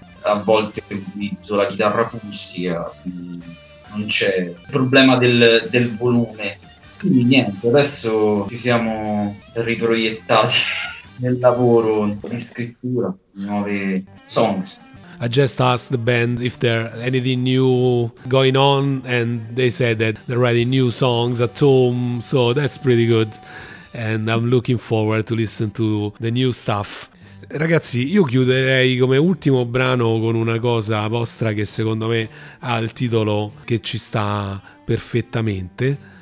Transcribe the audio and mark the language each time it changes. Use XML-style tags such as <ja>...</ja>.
<it>A volte utilizzo la chitarra acustica, non c'è problema del volume. Quindi niente, adesso ci siamo riproiettati nel lavoro, in scrittura, nuove songs.</it> <en>I just asked the band if there anything new going on, and they said that they're writing new songs at home, so that's pretty good. And I'm looking forward to listen to the new stuff.</en> <it>Ragazzi, io chiuderei come ultimo brano con una cosa vostra che secondo me ha il titolo che ci sta perfettamente.</it>